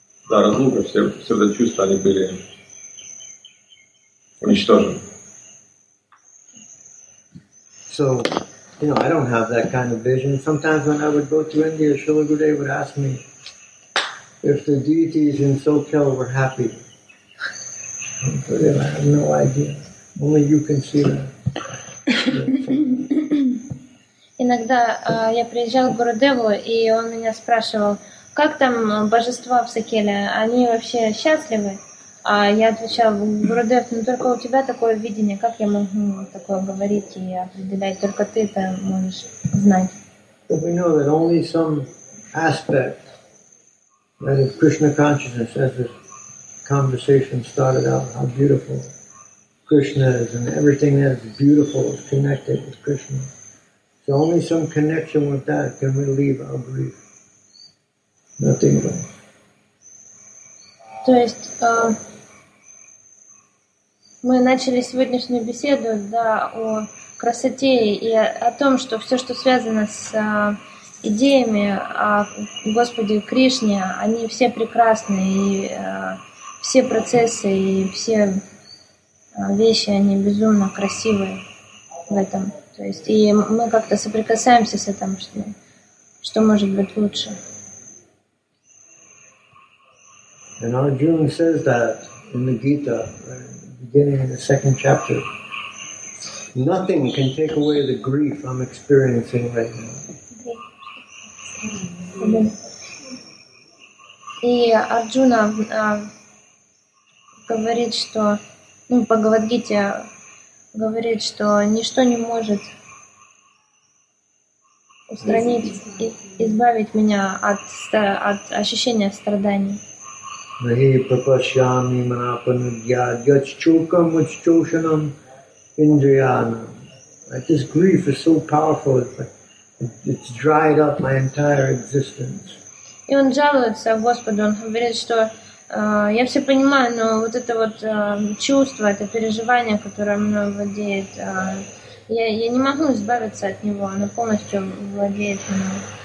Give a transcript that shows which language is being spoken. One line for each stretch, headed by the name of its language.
Russian: Да, разлука, все эти чувства, они были уничтожены.
English: So... You know, I don't have that kind of vision. Sometimes when I would go to India, Srila Gurudev would ask me if the deities in Soquel were happy. Gurudev, I have no idea. Only you can see that.
Russian: Иногда я приезжал к Гурудеву, и он меня спрашивал, как там божества в Сокеле? Они вообще счастливы? А я отвечал: «Гурудев, ну только у тебя такое видение, как я могу такое говорить и определять? Только ты это можешь знать».
English: But we know that only some aspect, that is Krishna consciousness, as this conversation started out, how beautiful Krishna is, and everything that is beautiful is connected with Krishna. So only some connection with that can relieve our grief. Nothing else.
Russian: То есть... Мы начали сегодняшнюю беседу, да, о красоте и о том, что все, что связано с идеями о Господе Кришне, они все прекрасны, и все процессы, и все вещи, они безумно красивые в этом. То есть, и мы как-то соприкасаемся с этим, что может быть лучше.
English: And Arjuna says that in the Gita, beginning in the second chapter, nothing can take away the grief I'm experiencing right now.
Russian: И Арджуна говорит, что, ну, Бхагавад-гите говорит, что ничто не может устранить и избавить меня от ощущения страданий.
Sanskrit: Nahi papashyami manapanudya yachchukam uchchoshanam indriyana.
English: Like, this grief is so powerful, it's dried up my entire existence.
Russian: И он жалуется Господу, он говорит, что я все понимаю, но вот это вот чувство, это переживание, которое мной владеет, я не могу избавиться от него, оно полностью владеет мной.